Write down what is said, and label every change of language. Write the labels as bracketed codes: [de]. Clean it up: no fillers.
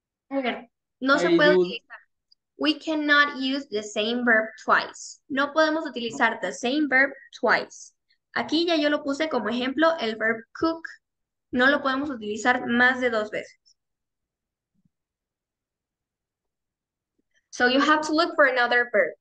[es] Okay, no se puede utilizar. [en] We cannot use the same verb twice. [es] No podemos utilizar [en] the same verb twice. [es] Aquí ya yo lo puse como ejemplo, el verb cook. No lo podemos utilizar más de dos veces. [en] So you have to look for another verb.